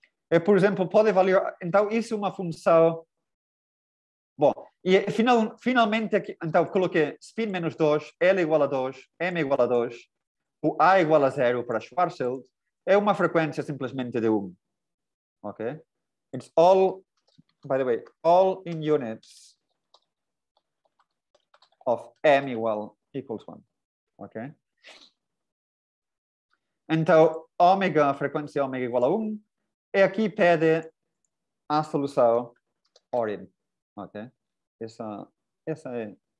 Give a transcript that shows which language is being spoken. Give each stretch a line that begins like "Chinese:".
Portuguese: E, por exemplo, pode valer. Então, isso é uma função. Bom, e finalmente, aqui, então, coloquei spin menos 2, L igual a 2, M igual a 2, o A igual a 0 para Schwarzschild, é uma frequência simplesmente de 1. Ok?
English: It's all, by the way, all in units of M
Portuguese: igual
English: equals 1. Ok?
Portuguese: Então, ômega, a frequência ômega igual a 1, e aqui pede a solução origin. Ok? Essa é.